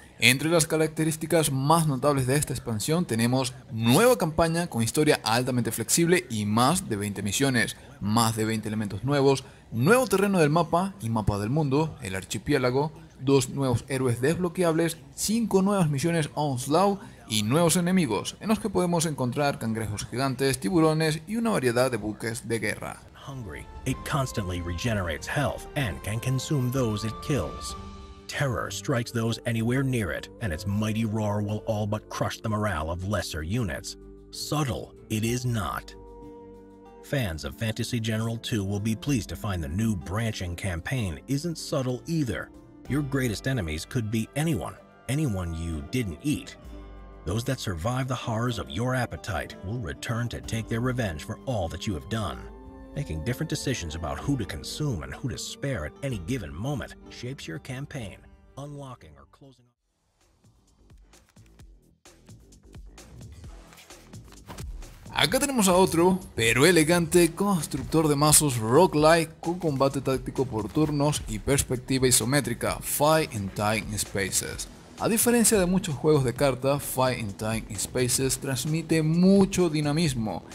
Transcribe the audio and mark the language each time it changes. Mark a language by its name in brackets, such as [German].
[Spanish] Entre las características más notables de esta expansión tenemos nueva campaña con historia altamente flexible y más de 20 misiones, más de 20 elementos nuevos, nuevo terreno del mapa y mapa del mundo, el archipiélago, dos nuevos héroes desbloqueables, 5 nuevas misiones Onslaught y nuevos enemigos en los que podemos encontrar cangrejos gigantes, tiburones y una variedad de buques de guerra. [English] Hungry, it constantly regenerates health and can consume those it kills. Terror strikes those anywhere near it, and its mighty roar will all but crush the morale of lesser units. Subtle, it is not. Fans of Fantasy General 2 will be pleased to find the new branching campaign isn't subtle either. Your greatest enemies could be anyone, anyone you didn't eat. Those that survive the horrors of your appetite will return to take their revenge for all that you have done. Making different decisions about who to consume and who to spare at any given moment shapes your campaign, unlocking or closing. [Spanish] Acá tenemos a otro, pero elegante, constructor de mazos roguelike con combate táctico por turnos y perspectiva isométrica, Fight in Time Spaces. A diferencia de muchos juegos de carta, Fight in Time and Spaces transmite mucho dinamismo.